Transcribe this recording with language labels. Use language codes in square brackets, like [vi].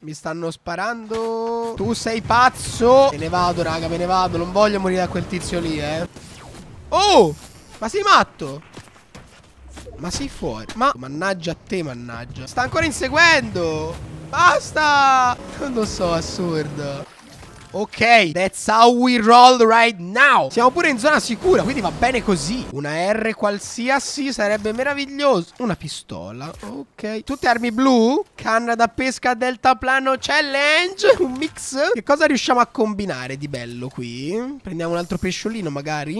[it] Mi stanno sparando. Tu sei pazzo. Me ne vado, raga, me ne vado. Non voglio morire da quel tizio lì, Oh, ma sei matto? Ma sei fuori? Ma mannaggia a te, mannaggia. Sta ancora inseguendo. Basta! Non lo so, assurdo. [en] Ok, that's how we roll right now. [it] Siamo pure in zona sicura, quindi va bene così. Una R qualsiasi sarebbe meraviglioso. Una pistola, ok. Tutte armi blu. Canna da pesca deltaplano challenge. Un mix. Che cosa riusciamo a combinare di bello qui? Prendiamo un altro pesciolino magari.